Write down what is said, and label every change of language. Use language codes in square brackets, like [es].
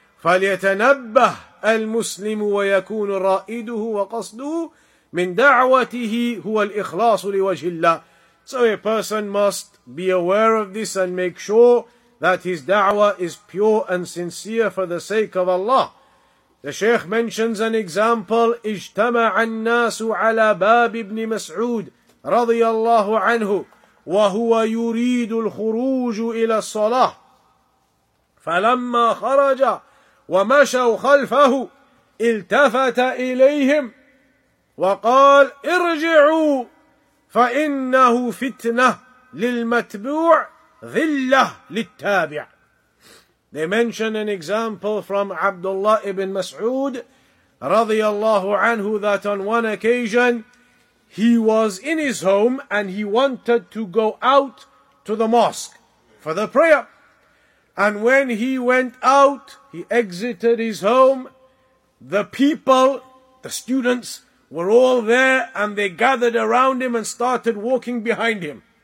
[ar] فَلْيَتَنَبَّهِ الْمُسْلِمُ وَيَكُونُ رَائِدُهُ وَقَصْدُهُ مِنْ دَعْوَتِهِ هُوَ الْإِخْلَاصُ لِوَجْهِ اللَّهِ. [en] So a person must be aware of this and make sure that his da'wah is pure and sincere for the sake of Allah. The Shaykh mentions an example. [ar] اجتمع الناس على باب ابن مسعود رضي الله عنه وهو يريد الخروج إلى الصلاة فلما خرج ومشوا خلفه التفت إليهم وقال ارجعوا فإنه فتنة للمتبوع ذِلَّهُ لِلتَّابِعِ. [en] They mention an example from Abdullah ibn Mas'ud radiyallahu anhu, that on one occasion he was in his home and he wanted to go out to the mosque for the prayer. And when he went out, he exited his home, the people, the students, were all there and they gathered around him and started walking behind him.